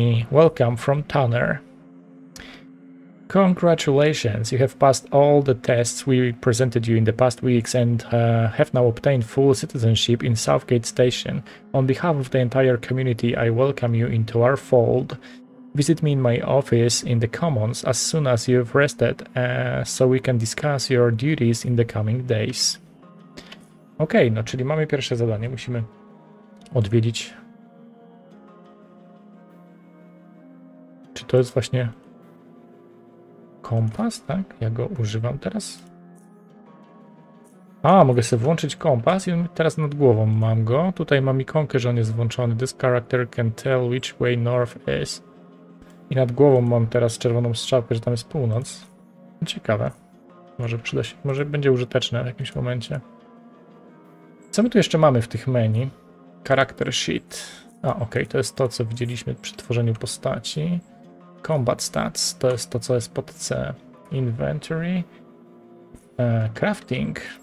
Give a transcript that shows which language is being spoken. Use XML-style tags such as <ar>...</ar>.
<en>Welcome from Tanner. Congratulations, you have passed all the tests we presented you in the past weeks and have now obtained full citizenship in Southgate Station. On behalf of the entire community, I welcome you into our fold. Visit me in my office in the Commons as soon as you've rested, so we can discuss your duties in the coming days.</en> <pl>Okej, okay, no czyli mamy pierwsze zadanie, musimy odwiedzić. Czy to jest właśnie... Kompas, tak? Ja go używam teraz. A, mogę sobie włączyć kompas i teraz nad głową mam go. Tutaj mam ikonkę, że on jest włączony.</pl> <en>This character can tell which way north is.</en> <pl>I nad głową mam teraz czerwoną strzałkę, że tam jest północ. Ciekawe. Może przyda się, może będzie użyteczne w jakimś momencie. Co my tu jeszcze mamy w tych menu? Character sheet. A, okej, to jest to, co widzieliśmy przy tworzeniu postaci. Combat stats, to jest to, co jest pod C. Inventory. Crafting.</pl>